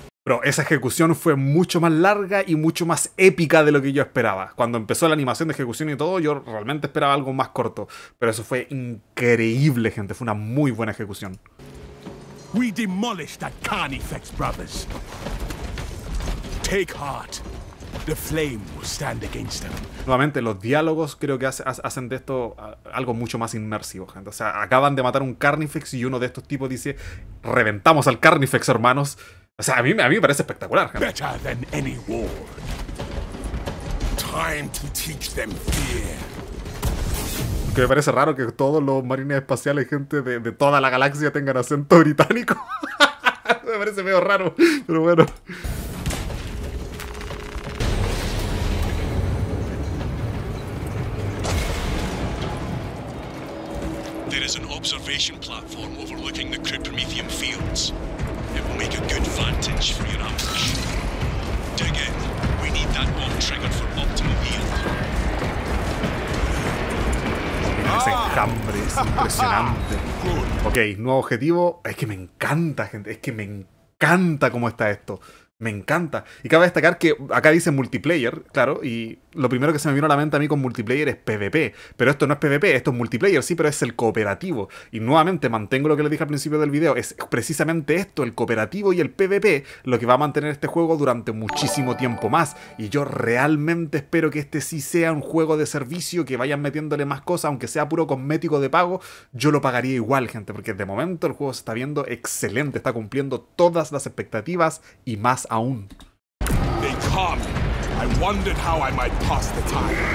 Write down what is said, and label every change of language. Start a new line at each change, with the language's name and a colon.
Spanish: Pero esa ejecución fue mucho más larga y mucho más épica de lo que yo esperaba. Cuando empezó la animación de ejecución y todo, yo realmente esperaba algo más corto. Pero eso fue increíble, gente. Fue una muy buena ejecución.
English: We demolished that Carnifex, brothers. Take heart. The flame will stand against them.
Spanish: Nuevamente, los diálogos creo que hacen de esto algo mucho más inmersivo, gente. O sea, acaban de matar un Carnifex y uno de estos tipos dice: reventamos al Carnifex, hermanos. O sea, a mí me parece espectacular, gente.
English: Better than any war. Time to teach them fear.
Spanish: Que me parece raro que todos los marines espaciales, gente, de toda la galaxia tengan acento británico. Me parece medio raro, pero bueno.
English: There is an observation platform overlooking the Cryptomethium fields. It will make a good vantage for your ambush. Dig in. We need that bomb triggered for optimal yield.
Spanish: Ese enjambre es impresionante. Ok, nuevo objetivo. Es que me encanta, gente. Es que me encanta cómo está esto. Me encanta. Y cabe destacar que acá dice multiplayer, claro, y lo primero que se me vino a la mente a mí con multiplayer es PvP. Pero esto no es PvP, esto es multiplayer, sí, pero es el cooperativo. Y nuevamente mantengo lo que les dije al principio del video, es precisamente esto, el cooperativo y el PvP, lo que va a mantener este juego durante muchísimo tiempo más. Y yo realmente espero que este sí sea un juego de servicio, que vayan metiéndole más cosas, aunque sea puro cosmético de pago, yo lo pagaría igual, gente, porque de momento el juego se está viendo excelente, está cumpliendo todas las expectativas y más aún.
English: They come. I wondered how I might pass the time.